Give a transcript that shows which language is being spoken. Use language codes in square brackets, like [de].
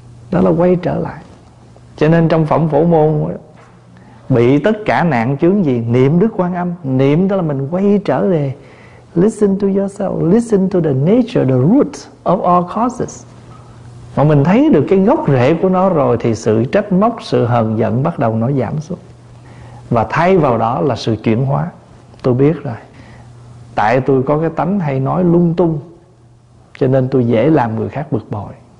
[vi] Đó là quay trở lại. Cho nên trong phẩm phổ môn, bị tất cả nạn chướng gì, niệm Đức Quan Âm. Niệm đó là mình quay trở về. [en] Listen to yourself, listen to the nature, the root of all causes. [vi] Mà mình thấy được cái gốc rễ của nó rồi thì sự trách móc, sự hờn giận bắt đầu nó giảm xuống. Và thay vào đó là sự chuyển hóa. Tôi biết rồi, tại tôi có cái tánh hay nói lung tung, cho nên tôi dễ làm người khác bực bội.